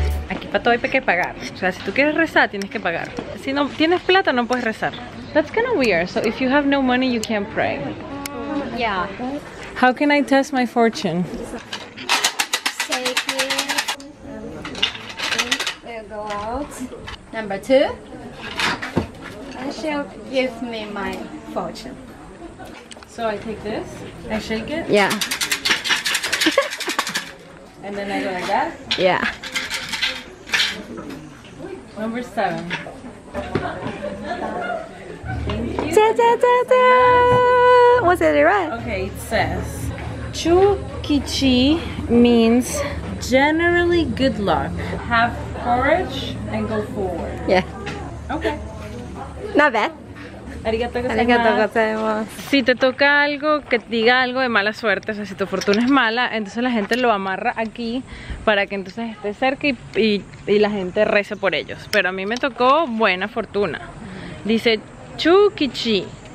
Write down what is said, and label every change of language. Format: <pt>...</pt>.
<es>Aquí para todo hay que pagar. O sea, si tú quieres rezar, tienes que pagar. Si no tienes plata, no puedes rezar.</es> <en>That's kind of weird. So if you have no money, you can't pray. Yeah. How can I test my fortune? Say it. We'll go out. Number two. And she'll give me my fortune. So I take this. I shake it. Yeah. And then I go like that. Yeah. Number seven. Ta-ta-ta-ta! Was it right? Okay, it says Chukichi means generally good luck. Have courage and go forward. Yeah. Okay. Not bad.</en> <ja>Arigato gozaimasu.</ja> <es>Si te toca algo que diga algo de mala suerte, o sea, si tu fortuna es mala, entonces la gente lo amarra aquí para que entonces esté cerca y la gente reza por ellos. Pero a mí me tocó buena fortuna. Dice Chukichi.</es>